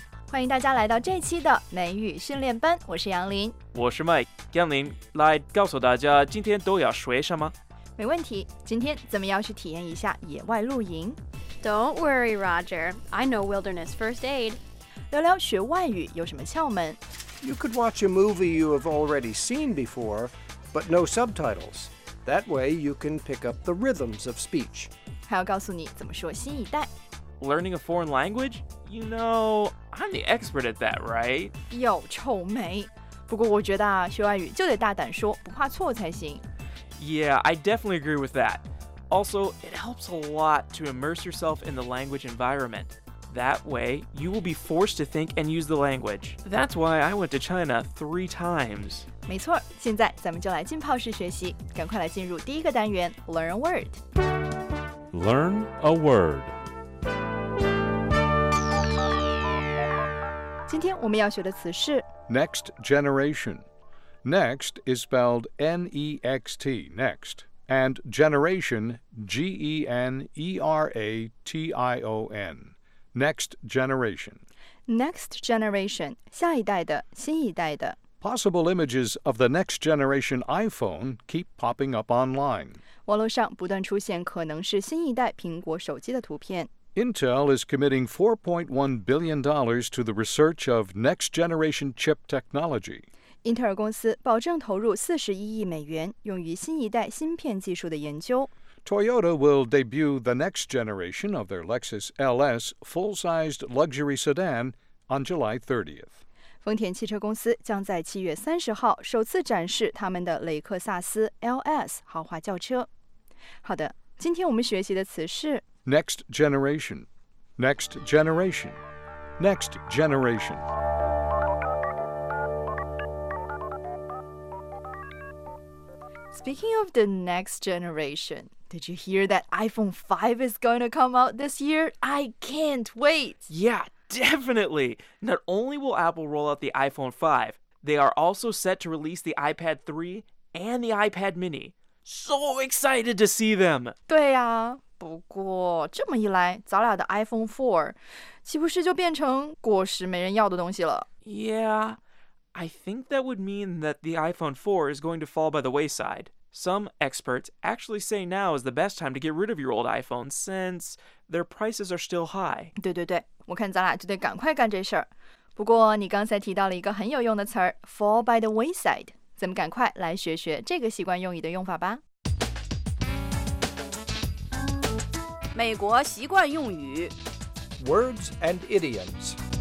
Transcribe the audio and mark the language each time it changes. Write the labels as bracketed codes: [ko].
[zh] 欢迎大家来到这期的美语训练班，我是杨林，我是 Mike。杨林，来告诉大家今天都要学什么。没问题，今天咱们要去体验一下野外露营。 [en] Don't worry, Roger, I know wilderness first aid。 [zh] 聊聊学外语有什么窍门。 [en] You could watch a movie you have already seen before, but no subtitles. That way you can pick up the rhythms of speech. [zh] 还要告诉你怎么说新一代。 [en] Learning a foreign language? You know, I'm the expert at that, right? [zh] 有臭美。不过我觉得啊，学外语就得大胆说，不怕错才行。 [en] Yeah, I definitely agree with that. Also, it helps a lot to immerse yourself in the language environment. That way, you will be forced to think and use the language. That's why I went to China 3 times. [zh] 没错，现在咱们就来浸泡式学习，赶快来进入第一个单元 Learn a Word. [en] Learn a Word. [zh] 今天我们要学的词是 [en] Next Generation. Next is spelled N-E-X-T, next, and generation, G-E-N-E-R-A-T-I-O-N, next generation. [zh] Next generation, 下一代的,新一代的。 [en] Possible images of the next generation iPhone keep popping up online. [zh] 网络上不断出现可能是新一代苹果手机的图片。 [en] Intel is committing $4.1 billion to the research of next generation chip technology. [zh] 英特尔公司保证投入$41亿用于新一代芯片技术的研究。 [en] Toyota will debut the next generation of their Lexus LS full-sized luxury sedan on July 30th. [zh] 丰田汽车公司将在7月30日首次展示他们的雷克萨斯 LS 豪华轿车。好的，今天我们学习的词是 [en] Next generation, next generation, next generation. Speaking of the next generation, did you hear that iPhone 5 is going to come out this year? I can't wait! Yeah, definitely! Not only will Apple roll out the iPhone 5, they are also set to release the iPad 3 and the iPad mini. So excited to see them! [zh] 对啊，不过这么一来，咱俩的 iPhone 4岂不是就变成果实没人要的东西了？ [en] Yeah... I think that would mean that the iPhone 4 is going to fall by the wayside. Some experts actually say now is the best time to get rid of your old iPhone since their prices are still high. [zh] 对对对，我看咱俩就得赶快干这事儿。不过你刚才提到了一个很有用的词儿 fall by the wayside. 咱们赶快来学学这个习惯用语的用法吧。美国习惯用语 [en] Words and idioms.